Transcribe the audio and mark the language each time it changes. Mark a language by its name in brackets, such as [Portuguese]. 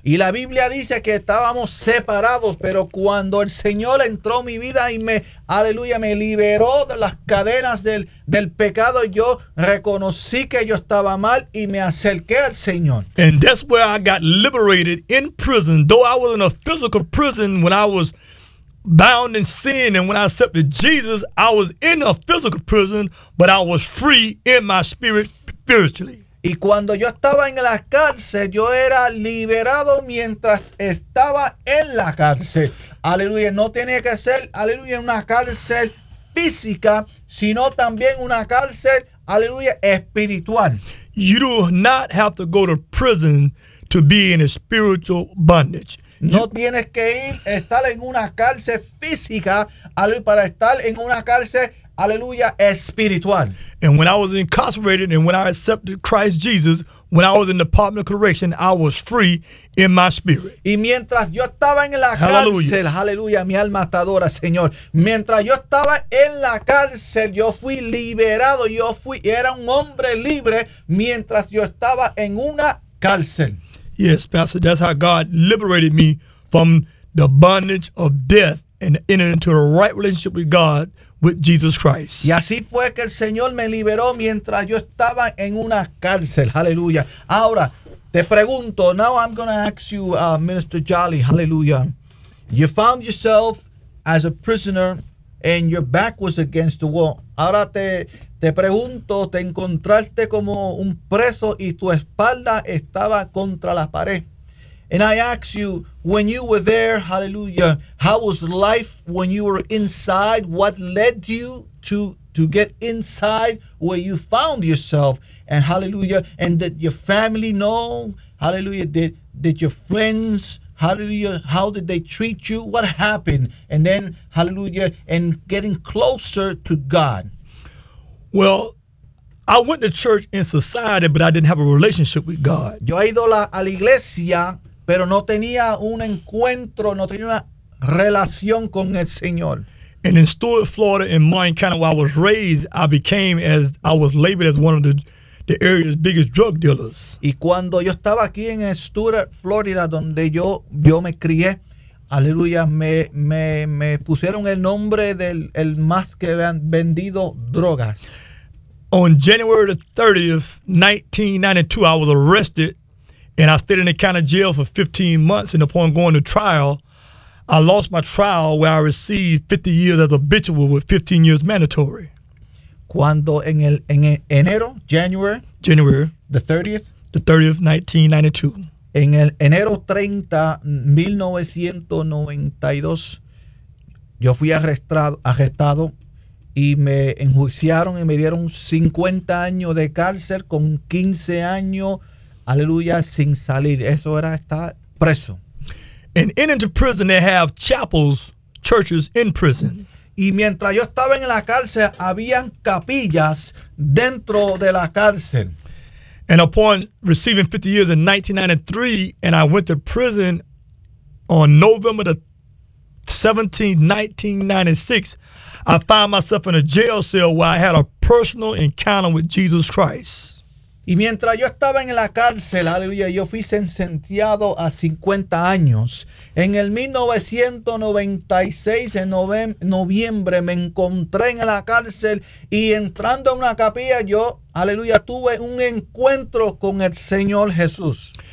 [Spanish] Y la Biblia dice que estábamos separados, pero cuando el Señor entró en mi vida y me, aleluya, me liberó de las cadenas del pecado, yo reconocí que yo estaba mal y me acerqué al Señor. [English] And that's where I got liberated in prison. Though I was in a physical prison when I was bound in sin, and when I accepted Jesus, I was in a physical prison, but I was free in my spirit spiritually. [Spanish] Y cuando yo estaba en la cárcel, yo era liberado mientras estaba en la cárcel. Aleluya, no tenía que ser, aleluya, una cárcel física, sino también una cárcel, aleluya, espiritual. [English] You do not have to go to prison to be in a spiritual bondage. [Spanish] No tienes que ir, estar en una cárcel física, aleluya, para estar en una cárcel, aleluya, espiritual. [English] And when I was incarcerated and when I accepted Christ Jesus, when I was in the Department of Correction, I was free in my spirit. [Spanish] Y mientras yo estaba en la cárcel, aleluya, mi alma te adora, Señor. Mientras yo estaba en la cárcel, yo fui liberado, era un hombre libre mientras yo estaba en una cárcel. [English] Yes, Pastor, that's how God liberated me from the bondage of death and entered into a right relationship with God, with Jesus Christ. [Spanish] Y así fue que el Señor me liberó mientras yo estaba en una cárcel. [English] Hallelujah. [Spanish] Ahora, te pregunto, [English] now I'm going to ask you, Minister Jolly, hallelujah. You found yourself as a prisoner and your back was against the wall. [Spanish] Ahora te pregunto, te encontraste como un preso y tu espalda estaba contra la pared. [English] And I ask you, when you were there, hallelujah, how was life when you were inside? What led you to get inside where you found yourself? And hallelujah, and did your family know? Hallelujah, did your friends, hallelujah, how did they treat you? What happened? And then, hallelujah, and getting closer to God. Well, I went to church in society, but I didn't have a relationship with God. [Spanish] Yo he ido a la iglesia, pero no tenía un encuentro, no tenía una relación con el Señor. [English] And in Stuart, Florida, in Martin County, where I was raised, I was labeled as one of the area's biggest drug dealers. [Spanish] Y cuando yo estaba aquí en Stuart, Florida, donde yo me crié, aleluya, me pusieron el nombre del el más que vendido drogas. [English] On January the 30th, 1992, I was arrested and I stayed in the county jail for 15 months. And upon going to trial, I lost my trial where I received 50 years as habitual with 15 years mandatory. [Spanish] Cuando [English] January the 30th? The 30th, 1992. [Spanish] En el enero 30, 1992, yo fui arrestado y me enjuiciaron y me dieron 50 años de cárcel con 15 años, aleluya, sin salir. Eso era estar preso. [English] And in into prison, they have chapels, churches in prison. [Spanish] Y mientras yo estaba en la cárcel, habían capillas dentro de la cárcel. [English] And upon receiving 50 years in 1993, and I went to prison on November the 17th, 1996, I found myself in a jail cell where I had a personal encounter with Jesus Christ. [Spanish] Y mientras yo estaba en la cárcel, aleluya, yo fui sentenciado a 50 años. En el 1996, en noviembre, me encontré en la cárcel y entrando en una capilla, yo, aleluya, tuve un encuentro con el Señor Jesús.